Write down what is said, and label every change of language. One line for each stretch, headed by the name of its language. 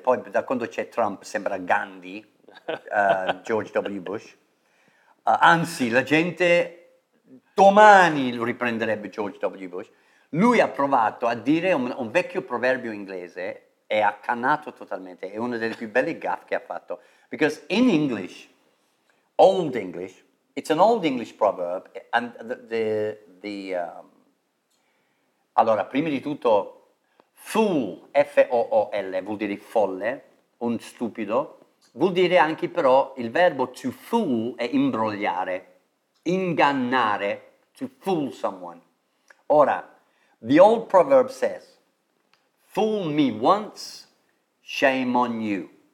Italian: Poi, da quando c'è Trump, sembra Gandhi, George W. Bush. Anzi, la gente domani lo riprenderebbe George W. Bush. Lui ha provato a dire un vecchio proverbio inglese e ha cannato totalmente. È una delle più belle gaffe che ha fatto.
English: Because in English, old English, it's an old English proverb.
Italian: And allora, prima di tutto, fool, F-O-O-L, vuol dire folle, un stupido. Vuol dire anche però il verbo to fool è imbrogliare, ingannare,
English: to fool someone. Ora, the old proverb says, fool me once, shame on you.